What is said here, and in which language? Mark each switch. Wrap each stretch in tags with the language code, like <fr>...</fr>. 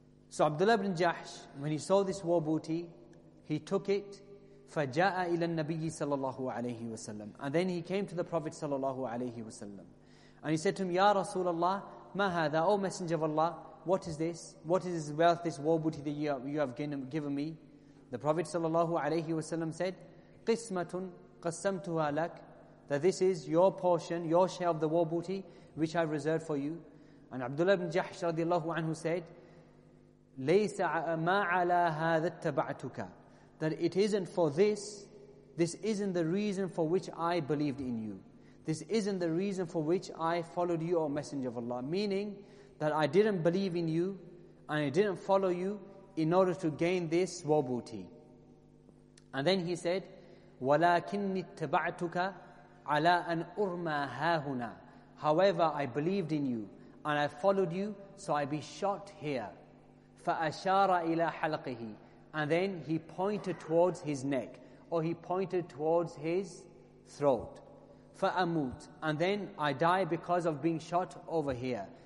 <en>So Abdullah ibn Jahsh, when he saw this war booty, he took it.</en> <ar>فَجَاءَ إِلَى النَّبِيِّ صَلَى اللَّهُ عَلَيْهِ وَسَلَّمُ.</ar> <en>And then he came to the Prophet صلى الله عليه وسلم. And he said to him, "Ya Rasulallah,</en> <ar>مَا هَذَا,</ar> <en>O Messenger of Allah, what is this? What is this wealth, this war booty that you have given me?" The Prophet</en> <ar>صلى الله عليه وسلم</ar> <en>said,</en> <ar>"قِسْمَةٌ قَسَّمْتُهَا لَكَ."</ar> <en>That this is your portion, your share of the war booty, which I've reserved for you. And Abdullah ibn Jahsh radiallahu anhu said,</en> <ar>"لَيْسَ مَا عَلَى هَذَا اتَّبَعْتُكَ."</ar> <en>That it isn't for this, this isn't the reason for which I believed in you. This isn't the reason for which I followed you, O Messenger of Allah. Meaning that I didn't believe in you and I didn't follow you in order to gain this war booty. And then he said,</en> <ar>وَلَكِنِّي اتَّبَعْتُكَ عَلَىٰ أَنْ أُرْمَى هَاهُنَا.</ar> <en>However, I believed in you and I followed you, so I be shot here.</en> <ar>فَأَشَارَ إِلَىٰ حَلْقِهِ.</ar> <en>And then he pointed towards his neck, or he pointed towards his throat.</en> <ar>فأموت.</ar> <en>And then I die because of being shot over here.</en>